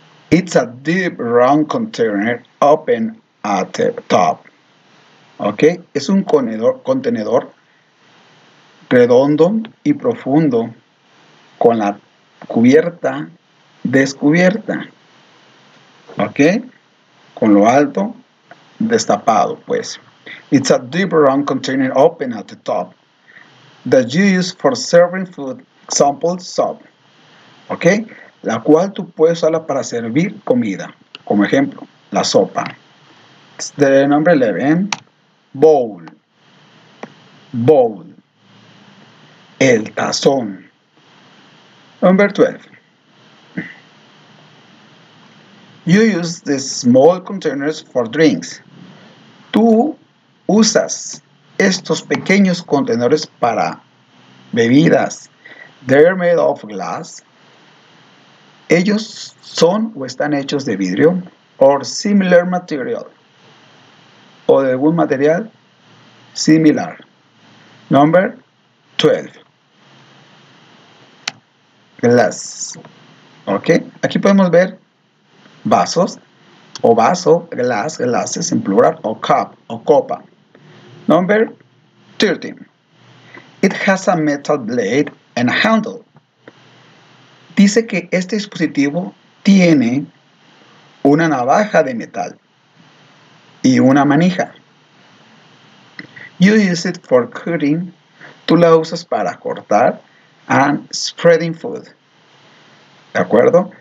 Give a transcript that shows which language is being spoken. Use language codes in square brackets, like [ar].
[en] It's a deep round container open at the top. [es] Ok, es un contenedor redondo y profundo con la cubierta descubierta. Ok, con lo alto destapado, pues. [en] It's a deep round container open at the top that you use for serving food, example, soup. [es] Ok, la cual tú puedes usarla para servir comida. Como ejemplo, la sopa. [en] It's the number 11. Bowl. Bowl. [es] El tazón. [en] Number 12. You use the small containers for drinks. [es] Tú usas estos pequeños contenedores para bebidas. [en] They're made of glass. [es] Ellos son o están hechos de vidrio. [en] Or similar material. [es] O de algún material similar. [en] Number 12. [es] Glass. Ok. Aquí podemos ver vasos. O vaso, glass, glasses en plural. O cup, o copa. [en] Number 13. It has a metal blade and a handle. [es] Dice que este dispositivo tiene una navaja de metal y una manija. [en] You use it for cutting. [es] Tú la usas para cortar [en] and spreading food. [es] ¿De acuerdo?